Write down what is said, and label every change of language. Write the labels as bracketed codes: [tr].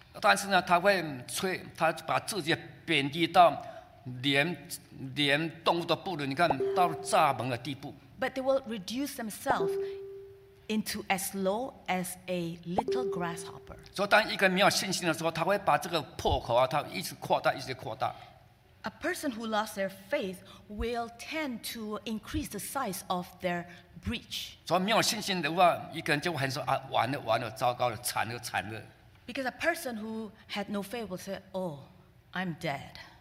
[zh] 但是呢, 他会吹, 他把自己贬低到 连动物都不如, [en] but they will reduce themselves into as low as a little grasshopper. [zh] So, 当一个没有信心的时候, 他会把这个破口啊, 他一直扩大, 一直扩大。 [en] A person who lost their faith will tend to increase the size of their breach. [zh] 所以没有信心的话, 一个人就会说, 啊, 完了, 完了, 糟糕了, 惨了, 惨了。 [en] Because a person who had no faith will say, oh, I'm dead.